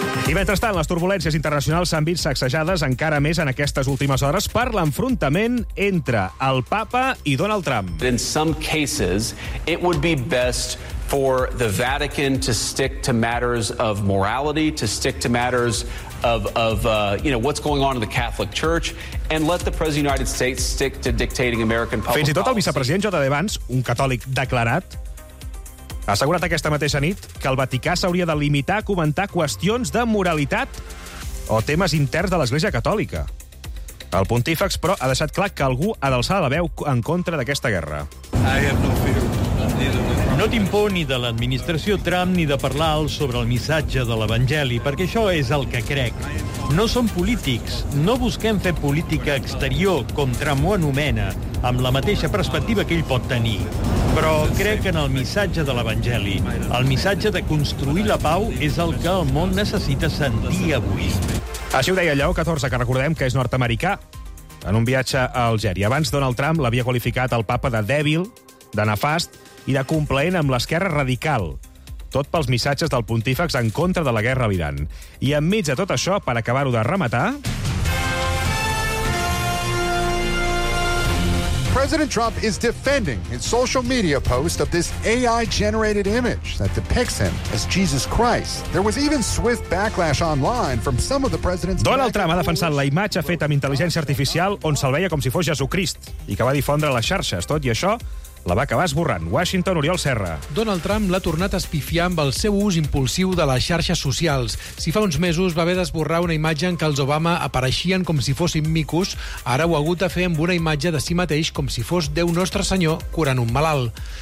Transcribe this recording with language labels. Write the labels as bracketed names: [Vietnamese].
[Catalan] I mentrestant, les turbulències internacionals s'han vist sacsejades encara més en aquestes últimes hores per l'enfrontament entre el Papa i Donald Trump. [English] In some cases, it would be best for the Vatican to stick to matters of morality, to stick to matters of what's going on in the Catholic Church, and let the President of the United States stick to dictating American public. [Catalan] Fins i tot el vicepresident J.D. Vance, un catòlic declarat, ha assegurat aquesta mateixa nit que el Vaticà s'hauria de limitar a comentar qüestions de moralitat o temes interns de l'Església Catòlica. El pontífex, però, ha deixat clar que algú ha d'alçar la veu en contra d'aquesta guerra. No tinc por ni de l'administració Trump ni de parlar alt sobre el missatge de l'Evangeli, perquè això és el que crec. No som polítics, no busquem fer política exterior, com Trump ho anomena, amb la mateixa perspectiva que ell pot tenir. Però crec en el missatge de l'Evangeli. El missatge de construir la pau és el que el món necessita sentir avui. Així ho deia Lleó 14, que recordem que és nord-americà, en un viatge a Algèria. Abans Donald Trump l'havia qualificat el Papa de dèbil, de nefast i de complaent amb l'esquerra radical, tot pels missatges del pontífex en contra de la guerra a l'Iran. I enmig de tot això, per acabar-ho de rematar... [English] President Trump is defending his social media post of this AI-generated image that depicts him as Jesus Christ. There was even swift backlash online from some of the president's... [Catalan] Donald Trump ha defensat la imatge feta amb intel·ligència artificial on se'l veia com si fos Jesucrist i que va difondre les xarxes. Tot i això, la va acabar esborrant. Washington, Oriol Serra. Donald Trump l'ha tornat a espifiar amb el seu ús impulsiu de les xarxes socials. Si fa uns mesos va haver d'esborrar una imatge en què els Obama apareixien com si fossin micos, ara ho ha hagut de fer amb una imatge de si mateix com si fos Déu Nostre Senyor curant un malalt.